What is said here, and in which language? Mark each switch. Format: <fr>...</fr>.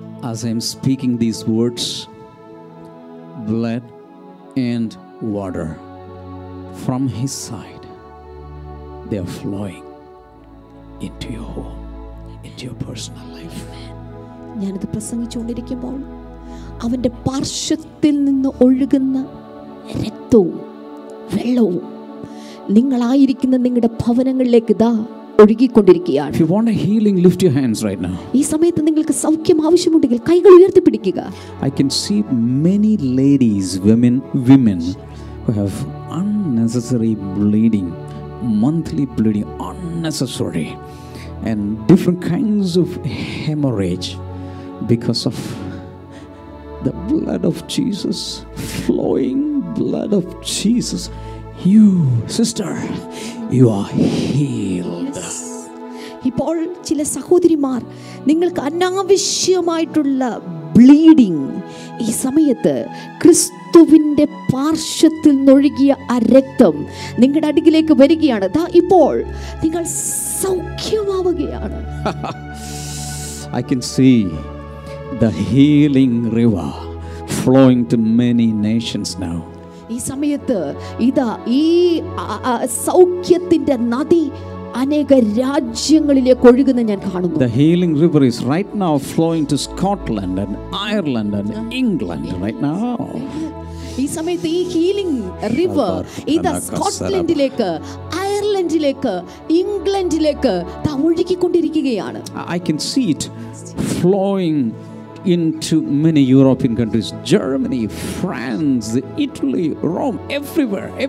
<en>As I am speaking these words, blood and water from his side, they are flowing into your home, into your personal life.</en> <ml>ഞാൻ ഇത് പ്രസംഗിച്ചുകൊണ്ടിരിക്കുമ്പോൾ അവന്റെ പാർശ്വത്തിൽ നിന്ന് ഒഴുകുന്ന രക്തവും വെള്ളവും നിങ്ങളായിരിക്കുന്ന നിങ്ങളുടെ ഭവനങ്ങളിലേക്ക് ദാ ഒഴുകിക്കൊണ്ടിരിക്കുകയാണ്.</ml> <en>If you want a healing, lift your hands right now.</en> <ml>ഈ സമയത്ത് നിങ്ങൾക്ക് സൗഖ്യം ആവശ്യമുണ്ടെങ്കിൽ കൈകൾ ഉയർത്തി പിടിക്കുക.</ml> <en>I can see many ladies, women who have unnecessary bleeding, monthly bleeding, unnecessary, and different kinds of hemorrhage because of the blood of Jesus, flowing blood of Jesus. You, sister, you are healed.</en> <ml>ഇപ്പോൾ ചില സഹോദരിമാർ, നിങ്ങൾക്ക് അനാവശ്യമായിട്ടുള്ള bleeding, ഈ സമയത്ത് ക്രിസ്തുവിന്റെ പാർശ്വത്തിൽ നിന്നൊഴുകിയ ആ രക്തം നിങ്ങളുടെ അടികിലേക്ക് വരികയാണ്. ദാ ഇപ്പോൾ നിങ്ങൾ സൗഖ്യമാവുകയാണ്.</ml> <en>I can see the healing river flowing to many nations now.</en> <ml>ഈ സമയത്ത് ഇതാ ഈ സൗഖ്യത്തിന്റെ നദി അനേക രാജ്യങ്ങളിലേക്ക് ഒഴുകുന്ന ഞാൻ കാണുന്നു.</ml> <en>The healing river is right now flowing to Scotland and Ireland and England right now.</en> <ml>ഈ സമയത്ത് ഈ ഹീലിംഗ് റിവർ ഇതാ സ്കോട്ട്ലൻഡിലേക്ക് ഐർലൻഡിലേക്ക് ഇംഗ്ലണ്ടിലേക്ക് ഒഴുകിക്കൊണ്ടിരിക്കുകയാണ്.</ml> <en>I can see it flowing into many European countries, Germany, France, Italy, Rome, everywhere.</en>